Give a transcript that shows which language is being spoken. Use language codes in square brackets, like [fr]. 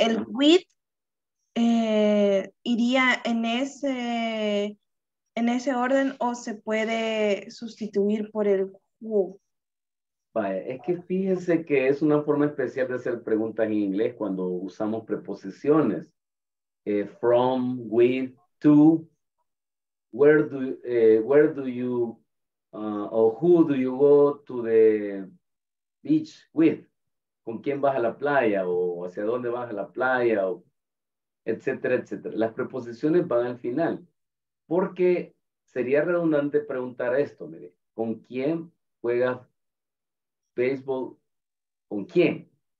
[es] El ¿no? with. ¿Iría en ese orden o se puede sustituir por el who? Vaya, es que fíjense que es una forma especial de hacer preguntas en inglés cuando usamos preposiciones. [en] From, with, to, where do you, o who do you go to the beach with? [es] ¿Con quién vas a la playa o hacia dónde vas a la playa o etcétera, etcétera? Las preposiciones van al final. Porque sería redundante preguntar esto, mire. ¿Con quién juegas béisbol? ¿Con quién?